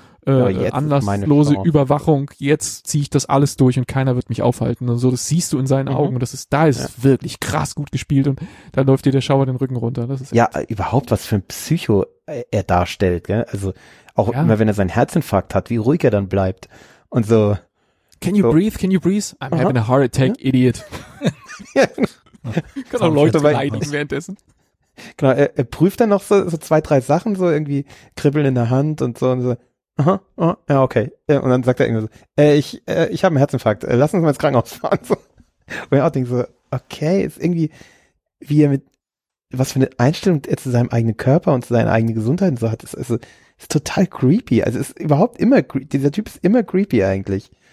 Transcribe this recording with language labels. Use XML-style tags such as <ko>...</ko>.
<de>anlasslose Überwachung, jetzt ziehe ich das alles durch und keiner wird mich aufhalten und so, das siehst du in seinen Augen, das ist, da ist es wirklich krass gut gespielt und da läuft dir der Schauer den Rücken runter. Das ist ja echt. Überhaupt, was für ein Psycho er darstellt, gell? Also auch immer, wenn er seinen Herzinfarkt hat, wie ruhig er dann bleibt und so.</de> <en>Can you breathe? I'm having a heart attack, idiot.</en> <de>Kann auch Leute leiden währenddessen. Genau, er prüft dann noch so zwei, drei Sachen, so irgendwie kribbeln in der Hand und so, und dann sagt er irgendwie so, ich habe einen Herzinfarkt, lass uns mal ins Krankenhaus fahren, so. Und er auch denkt so, okay, ist irgendwie, wie er mit, was für eine Einstellung er zu seinem eigenen Körper und zu seiner eigenen Gesundheit und so hat, ist total creepy, also ist überhaupt immer, dieser Typ ist immer creepy eigentlich.</de>